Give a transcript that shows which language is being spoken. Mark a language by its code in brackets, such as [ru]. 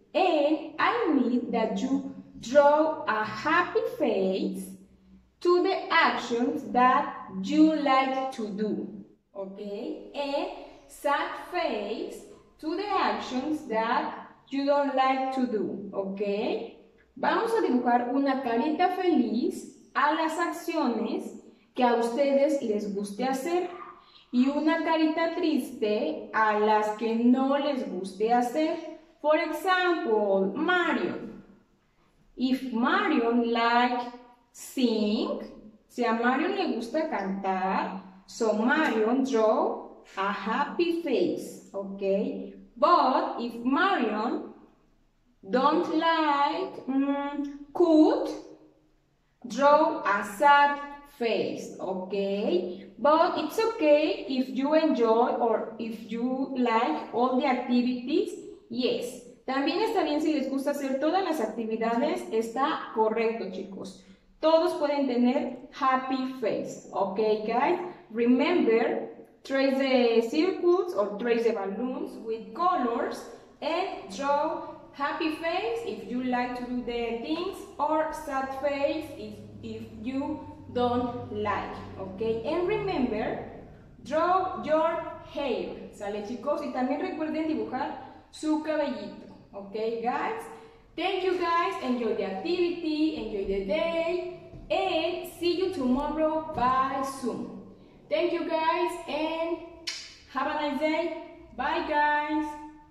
[en] And I need that you draw a happy face to the actions that you like to do, ok. And sad face to the actions that you don't like to do, ok. [es] Vamos a dibujar una carita feliz a las acciones que a ustedes les guste hacer y una carita triste a las que no les guste hacer. [en] For example, Marion. If Marion likes sing, [es] si a Marion le gusta cantar, [en] so Marion draw a happy face, okay? But if Marion don't like cook, draw a sad face, okay? But it's okay if you enjoy or if you like all the activities, yes. [es] También está bien si les gusta hacer todas las actividades, está correcto, chicos. Todos pueden tener [en] happy face, okay, guys? Remember, trace the circles or trace the balloons with colors and draw happy face if you like to do the things or sad face if you don't like, okay? And remember, draw your hair, [es] ¿sale chicos? Y también recuerden dibujar su cabellito, [en] okay guys? Thank you guys, enjoy the activity, enjoy the day, and see you tomorrow by Zoom. Thank you guys and have a nice day. Bye guys.